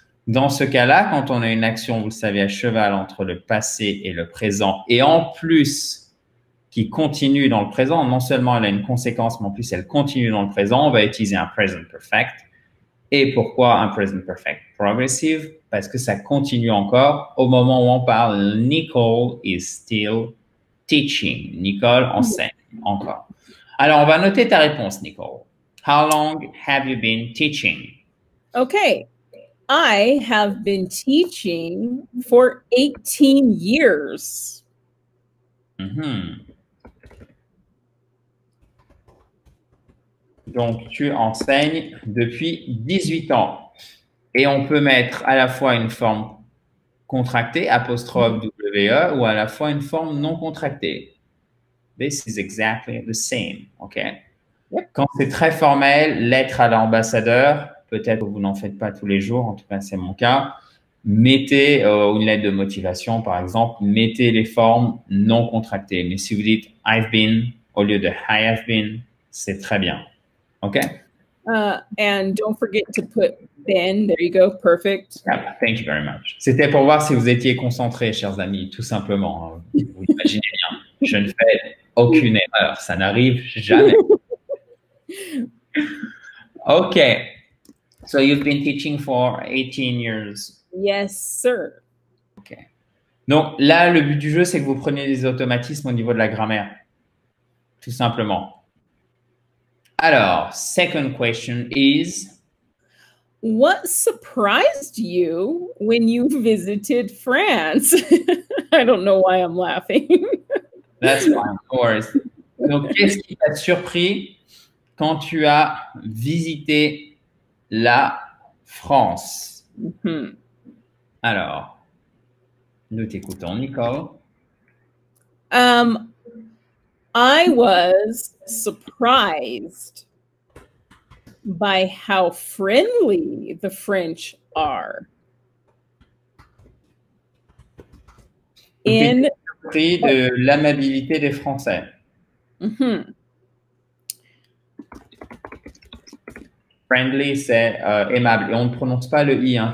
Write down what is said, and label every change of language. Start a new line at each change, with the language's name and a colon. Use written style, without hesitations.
French: Dans ce cas-là, quand on a une action, vous le savez, à cheval entre le passé et le présent et en plus qui continue dans le présent, non seulement elle a une conséquence, mais en plus elle continue dans le présent, on va utiliser un present perfect. Et pourquoi un present perfect progressive? Parce que ça continue encore au moment où on parle.
English: Nicole is still teaching.
French: Nicole enseigne encore. Alors, on va noter ta réponse, Nicole.
English: How long have you been teaching? Okay. I have been teaching for 18 years. Mm-hmm.
French: Donc, tu enseignes depuis 18 ans. Et on peut mettre à la fois une forme contractée, apostrophe double. Ou à la fois une forme non contractée.
English: This is exactly the same, OK? Yep.
French: Quand c'est très formel, lettre à l'ambassadeur, peut-être que vous n'en faites pas tous les jours, en tout cas, c'est mon cas, mettez une lettre de motivation, par exemple, mettez les formes non contractées. Mais si vous dites «
English: I've been
French: » au lieu de «
English: I have been
French: », c'est très bien, OK?
English: And don't forget to put Ben, there you go, perfect. Yep, thank you very much.
French: C'était pour voir si vous étiez concentrés, chers amis, tout simplement. Vous imaginez bien, je ne fais aucune erreur, ça n'arrive jamais.
English: OK, so you've been teaching for 18 years. Yes, sir.
French: OK, donc là, le but du jeu, c'est que vous preniez des automatismes au niveau de la grammaire, tout simplement.
English: Alors, second question is... What surprised you when you visited France? I don't know why I'm laughing. That's fine, of course.
French: Donc, qu'est-ce qui t'a surpris quand tu as visité la France? Mm-hmm. Alors, Nous t'écoutons, Nicole.
English: I was surprised by how friendly the French are.
French: In de l'amabilité des Français. Mm-hmm. Friendly, c'est aimable. Et on ne prononce pas le i, hein.